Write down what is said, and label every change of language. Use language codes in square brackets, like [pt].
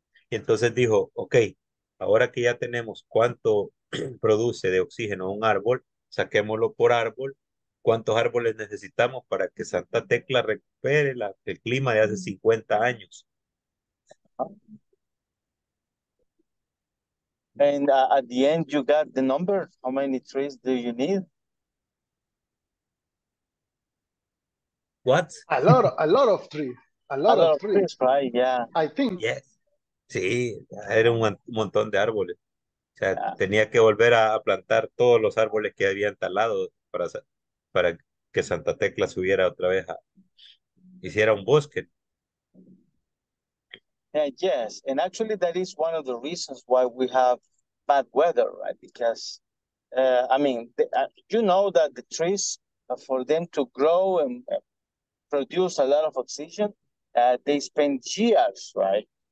[es] Y entonces dijo, ok, ahora que ya tenemos cuánto produce de oxígeno un árbol, saquémoslo por árbol. ¿Cuántos árboles necesitamos para que Santa Tecla recupere el clima de hace 50 años? [en] And at the end, you got the number. How many trees do you need? What? A lot of trees. Right, yeah. I think. Yes. [es] Sí, era un montón de árboles. O sea, [en] yeah. [es] Tenía que volver a plantar todos los árboles que habían talado para que Santa Tecla subiera otra vez hiciera un bosque. [en] Yes, and actually that is one of the reasons why we have bad weather, right? Because, you know that the trees, for them to grow and produce a lot of oxygen, they spend years, right?